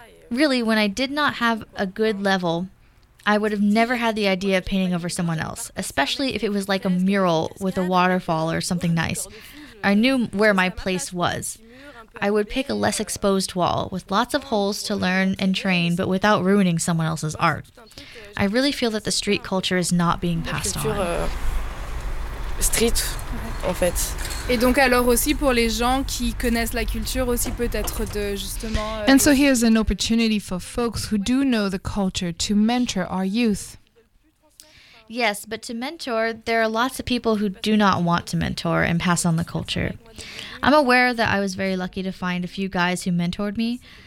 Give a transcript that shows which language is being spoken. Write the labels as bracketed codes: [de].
[en] Really, when I did not have a good level, I would have never had the idea of painting over someone else, especially if it was like a mural with a waterfall or something nice. I knew where my place was. I would pick a less exposed wall with lots of holes to learn and train, but without ruining someone else's art. I really feel that the street culture is not being passed on. [fr] Street, en fait. Et donc alors aussi pour les gens qui connaissent la culture aussi peut-être de justement. [en] And so here's an opportunity for folks who do know the culture to mentor our youth. Yes, but to mentor, there are lots of people who do not want to mentor and pass on the culture. I'm aware that I was very lucky to find a few guys who mentored me.